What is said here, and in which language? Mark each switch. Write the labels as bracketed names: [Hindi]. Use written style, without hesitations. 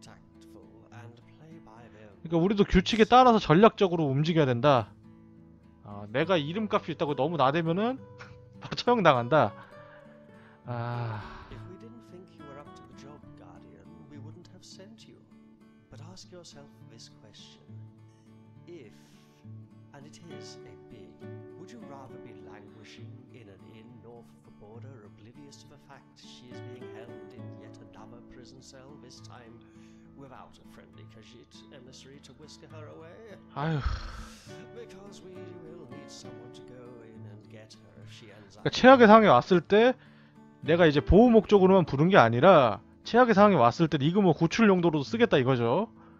[English] We must be tactful and play by the rules. [Korean] 그러니까 우리도 규칙에 따라서 전략적으로 움직여야 된다. 내가 이름값이 있다고 너무 나대면은 다 처형당한다. 아. [English] If we didn't think you were up to the job, Guardian, we wouldn't have sent you. But ask yourself this question. If, and it is a big, would you rather be languishing in an inn north of the border, oblivious to the fact she is being held in yet another prison cell, this time without a friendly Khajiit emissary to whisk her away? Because we will need someone to go in and get her if she ends up. [Korean] 최악의 상황이 왔을 때 내가 이제 보호 목적으로만 부른 게 아니라 최악의 상황이 왔을 때 리그모 구출 용도로도 쓰겠다 이거죠.